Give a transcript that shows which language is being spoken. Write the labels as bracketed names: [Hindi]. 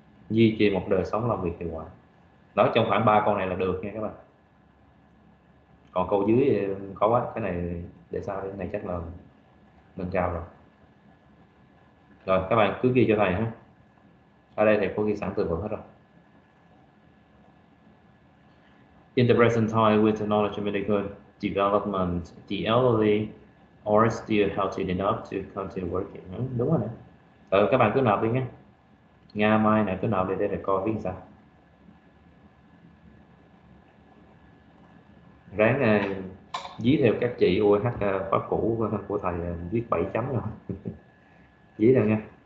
[Vietnamese] Duy trì một đời sống làm việc hiệu quả. Đó, trong khoảng ba câu này là được nha các bạn. Còn câu dưới khó quá, cái này để sau, cái này chắc là nâng cao rồi. Rồi các bạn cứ ghi cho thầy ha. Ở đây thầy có ghi sẵn từ vựng hết rồi. [English] In the present time, with the knowledge of medical development, the elderly are still healthy enough to continue working. [Vietnamese] Đúng rồi. Các bạn cứ nộp đi nhé. Ngày mai này cứ nộp đi để coi viết sao. Ráng dí theo các chị UH khóa cũ của thầy viết 7 chấm rồi. Dí theo nha.